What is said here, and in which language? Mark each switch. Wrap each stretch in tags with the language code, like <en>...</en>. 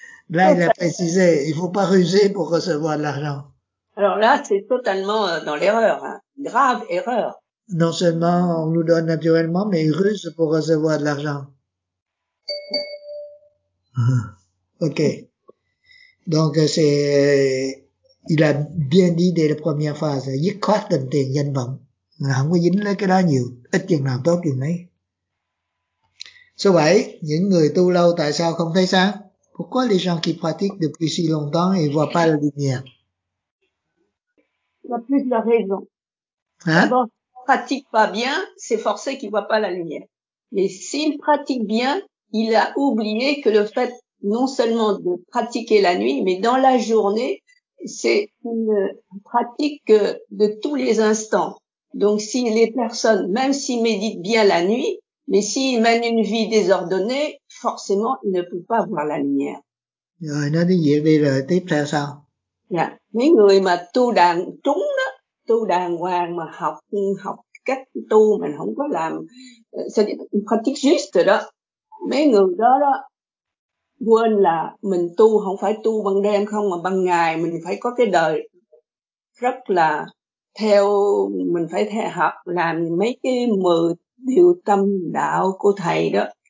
<fr>Là, il a précisé, il ne faut pas ruser pour recevoir de l'argent. Alors là, c'est totalement dans l'erreur, hein. Grave erreur. Non seulement on nous donne naturellement, mais ils rusent pour recevoir de l'argent. Ok. Donc c'est, il a bien dit dès la première phase,</fr> <vi>dứt khoát tình tiền danh vọng, không có dính lấy cái đó nhiều, ít chừng nào tốt chừng mấy. Số 7, những người tu lâu tại sao không thấy sáng?</vi> <fr>Pourquoi les gens qui pratiquent depuis si longtemps et voient pas la lumière? Il y a plusieurs raisons. Hein? Pratique pas bien, c'est forcé qu'il voit pas la lumière. Mais s'il pratique bien, il a oublié que le fait non seulement de pratiquer la nuit, mais dans la journée, c'est une pratique de tous les instants. Donc si les personnes, même s'ils méditent bien la nuit, mais s'ils mènent une vie désordonnée, forcément, il ne peut pas voir la lumière.</fr> <vi>Rồi nó đi diễn đi rồi tiếp theo sao? Dạ, mấy người mà tu đàng trúng đó, tu đàng hoàng mà học cách tu mà không có làm</vi> <fr>pratique juste</fr> <vi>đó, mấy người đó quên là mình tu không phải tu ban đêm không mà ban ngày mình phải có cái đời rất là theo, mình phải theo học làm mấy cái 10 điều tâm đạo của thầy đó.</vi>